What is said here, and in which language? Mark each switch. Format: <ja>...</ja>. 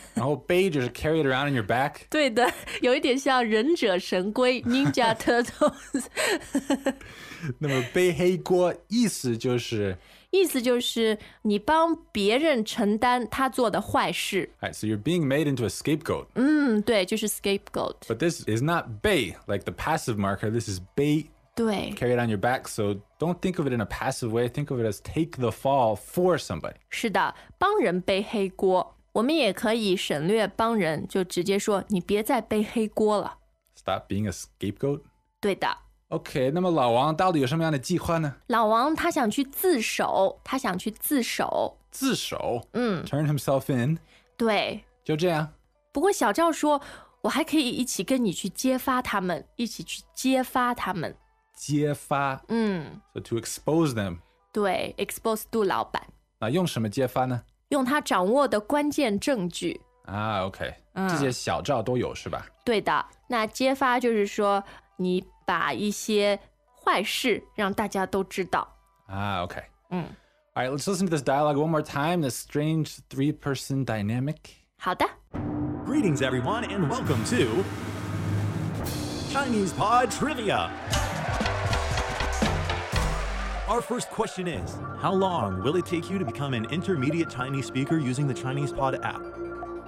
<zh>然后背就是</zh> <en>carry it around on your back.</en> <zh>对的，有一点像忍者神龟 Ninja Turtles. 那么背黑锅意思就是，意思就是你帮别人承担他做的坏事。</zh> <en>Alright, so you're being made into a scapegoat.</en> <zh>嗯，对，就是 scapegoat.</zh> <en>But this is not 背 like the passive marker, this is 背。</en> <zh>对，</zh> <en>carry it on your back. So don't think of it in a passive way. Think of it as take the fall for somebody.</en> <zh>是的，帮人背黑锅。我们也可以省略帮人，就直接说你别再背黑锅了。</zh> <en>Stop being a scapegoat.</en> <zh>对的。 OK, 那么老王到底有什么样的计划呢？老王他想去自首，他想去自首。自首？嗯。</zh> <en>Turn himself in.</en> <zh>对。就这样。不过小赵说，我还可以一起跟你去揭发他们，一起去揭发他们。揭发，嗯，</zh> <en>so to expose them.</en> <zh>对， expose 杜老板。那用什么揭发呢？用他掌握的关键证据啊。OK、这些小照都有是吧？对的。那揭发就是说你把一些坏事让大家都知道啊。OK、嗯、</zh> <en>Alright, let's listen to this dialogue one more time. This strange three person dynamic.</en> <zh>好的。</zh> <en>Greetings everyone and welcome to Chinese Pod Trivia. Our first question is, how long will it take you to become an intermediate Chinese speaker using the ChinesePod app?</en>